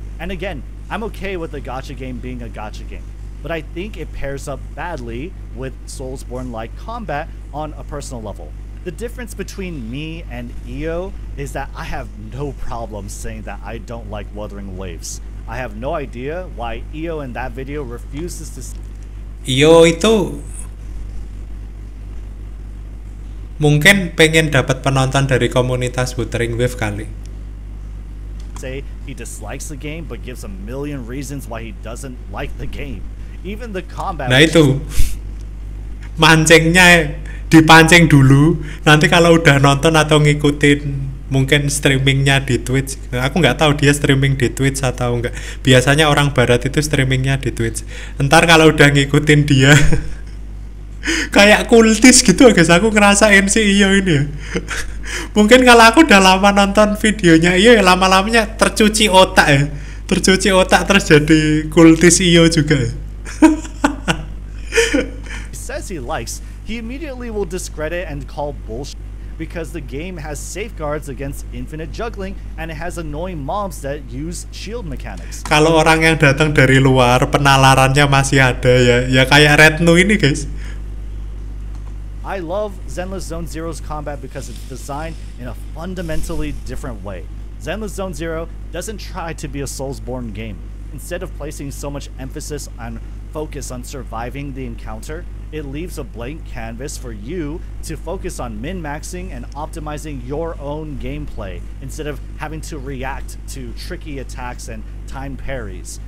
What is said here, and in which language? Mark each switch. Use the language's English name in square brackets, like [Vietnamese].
[English] And again, I'm okay with a gacha game being a gacha game, but I think it pairs up badly with Soulsborne-like combat on a personal level. The difference between me and EO is that I have no problem saying that I don't like Wuthering Waves. I have no idea why EO in that video refuses to... [Indonesian] EO itu... mungkin pengen dapat penonton dari komunitas Wuthering Wave kali. [English] Say he dislikes the game but gives a million reasons why he doesn't like the game. Even the combat... [Indonesian] Nah itu... mancingnya dipancing dulu, nanti kalau udah nonton atau ngikutin mungkin streamingnya di Twitch, aku nggak tahu dia streaming di Twitch atau nggak, biasanya orang barat itu streamingnya di Twitch, ntar kalau udah ngikutin dia kayak kultis gitu guys, aku ngerasain si Iyo ini. Mungkin kalau aku udah lama nonton videonya Iyo ya, lama-lamanya tercuci otak ya, tercuci otak terus jadi kultis Iyo juga. [English] He likes, he immediately will discredit and call bullshit because the game has safeguards against infinite juggling and it has annoying mobs that use shield mechanics. [Indonesian] Kalau orang yang datang dari luar penalarannya masih ada ya, ya kayak Retno ini guys. [English] I love Zenless Zone Zero's combat because it's designed in a fundamentally different way. Zenless Zone Zero doesn't try to be a Soulsborne game. Instead of placing so much emphasis on focus on surviving the encounter, it leaves a blank canvas for you to focus on min-maxing and optimizing your own gameplay instead of having to react to tricky attacks and timed parries.